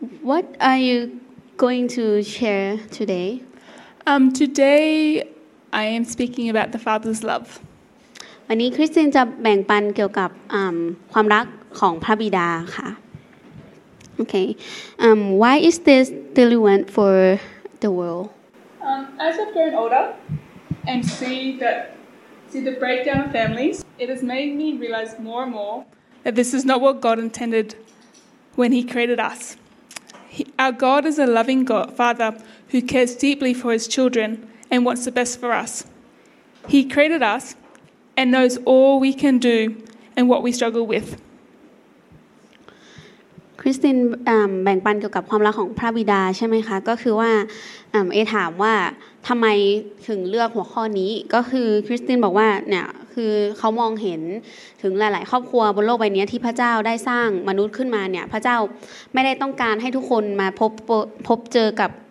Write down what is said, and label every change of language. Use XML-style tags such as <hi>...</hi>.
<en>What are you going to share today? Today, I am speaking about the Father's love.</en> <th>วันนี้คริสตินจะแบ่งปันเกี่ยวกับความรักของพระบิดาค่ะ Okay.</th> <en>Why is this relevant for the world? As I've grown older and see the breakdown of families, it has made me realize more and more. That this is not what God intended when He created us. Our God is a loving God, Father who cares deeply for His children and wants the best for us. He created us and knows all we can do and what we struggle with.</en> <th>Christine, แบ่งปันเกี่ยวกับความรักของพระบิดาใช่ไหมคะก็คือว่าเอถามว่าทำไมถึงเลือกหัวข้อนี้ก็คือ Christine บอกว่าเนี่ยคือเขามองเห็นถึงหลายๆครอบครัวบนโลกใบนี้ที่พระเจ้าได้สร้างมนุษย์ขึ้นมาเนี่ยพระเจ้าไม่ได้ต้องการให้ทุกคนมาพบเจอกับ</th>